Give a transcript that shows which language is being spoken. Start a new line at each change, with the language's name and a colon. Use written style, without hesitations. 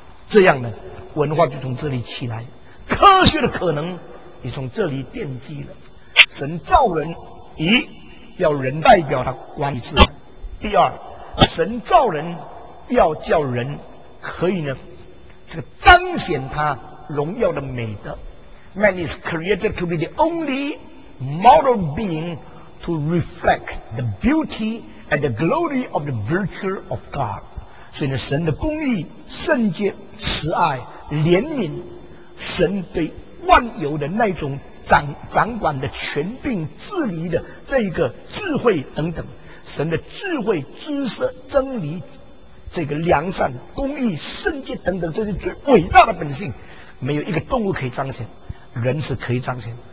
Chinese: 这样呢，文化就从这里起来，科学的可能也从这里奠基了。神造人，一，要人代表他管理自然；第二，神造人要叫人可以呢，这个彰显他荣耀的美德。
English: Man is created to be the only moral being to reflect the beauty and the glory of the virtue of God.
Chinese: 所以呢，神的公义、圣洁、慈爱、怜悯，神对万有的那种掌管的权柄治理的这一个智慧等等，神的智慧、知识、真理，这个良善、公义、圣洁等等，这是最伟大的本性，没有一个动物可以彰显，人是可以彰显。